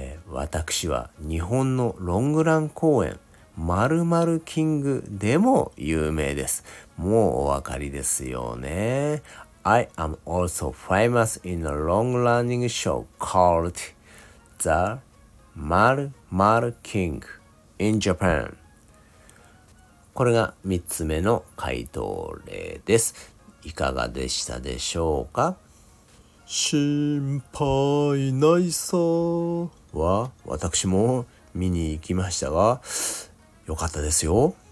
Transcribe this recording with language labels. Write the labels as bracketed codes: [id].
[ja] 私は日本のロングラン公演Marumaru Kingでも有名です。もうお分かりですよね。 [en] I am also famous in a long running show called The Marumaru King in Japan. [ja] これが3つ目の回答例です。いかがでしたでしょうか？心配ないさは私も見に行きましたが、よかったですよ。